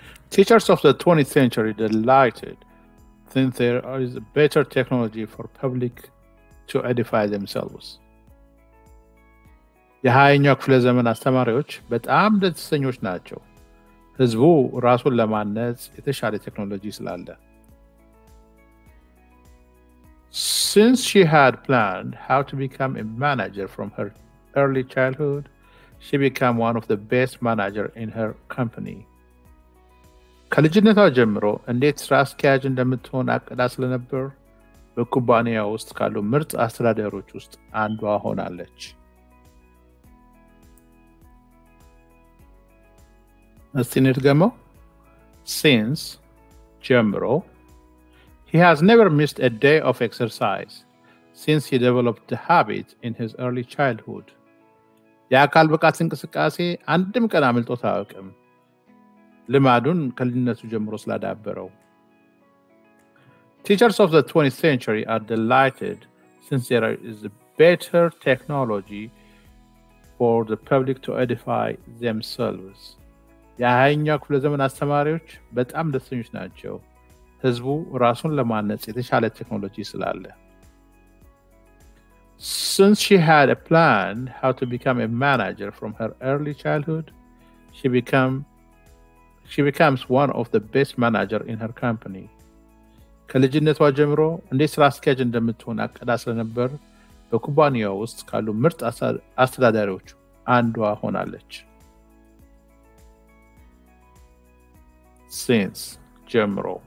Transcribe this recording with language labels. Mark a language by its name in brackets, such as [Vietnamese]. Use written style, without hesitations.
[English] Teachers of the 20th century delighted since there is better technology for public to edify themselves. [Amharic] የሃይኛው ክፍለ ዘመን አስተማሪዎች በጣም ደስተኞች ናቸው ህዝቡ ራሱን ለማነጽ የተሻለ ቴክኖሎጂ ስላለ. [English] Since she had planned how to become a manager from her early childhood, she became one of the best managers in her company. [Amharic] ከልጅነቷ ጀምሮ እንዴት ስራ አስኪያጅ እንደምትሆን አቅዳ ስለነበር በኩባንያ ውስጥ ካሉ ምርጥ አስተዳደሮች ውስጥ አንዷ ሆናለች. እስቲ ንድገሞ. Since ጀምሮ. [English] He has never missed a day of exercise since he developed the habit in his early childhood. [Amharic] የአካል ብቃት እንቅስቃሴ አንድም ቀን አመልጦት አያውቅም ለማዱን ከልጅነቱ ጀምሮ ስላዳበረው. [English] Teachers of the 20th century are delighted since there is a better technology for the public to edify themselves. [Amharic] የሃይኛው ክፍለ ዘመን አስተማሪዎች በጣም ደስተኞች ናቸው ህዝቡ ራሱን ለማነጽ የተሻለ ቴክኖሎጂ ስላለ. [English] Since she had a plan how to become a manager from her early childhood, she becomes one of the best managers in her company. [Amharic] ከልጅነቷ ጀምሮ እንዴት ስራ አስኪያጅ እንደምትሆን አቅዳ ስለነበር በኩባንያ ውስጥ ካሉ ምርጥ አስተዳዳሪዎች አንዷ ሆናለች. [English] Since ጀምሮ.